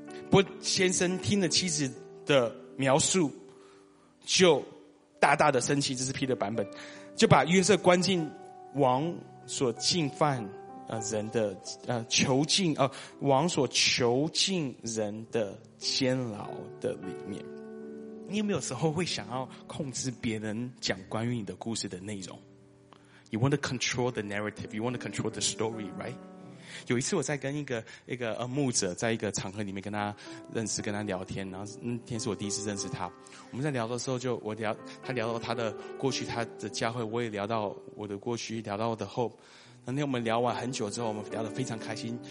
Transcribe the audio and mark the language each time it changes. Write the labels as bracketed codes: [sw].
[zh] 波先生听了妻子的描述，就大大的生气，这是 Peter 版本，就把约瑟关进王所进犯人的囚禁王所囚禁人的监牢的里面。你有没有时候会想要控制别人讲关于你的故事的内容？ [en] You want to control the narrative, you want to control the story, right? [zh] 有一次我在跟一个牧者在一个场合里面跟他认识，跟他聊天，然后那天是我第一次认识他。我们在聊的时候就他聊到他的过去，他的教会，我也聊到我的过去，聊到我的 hope。那天我们聊完很久之后，我们聊得非常开心。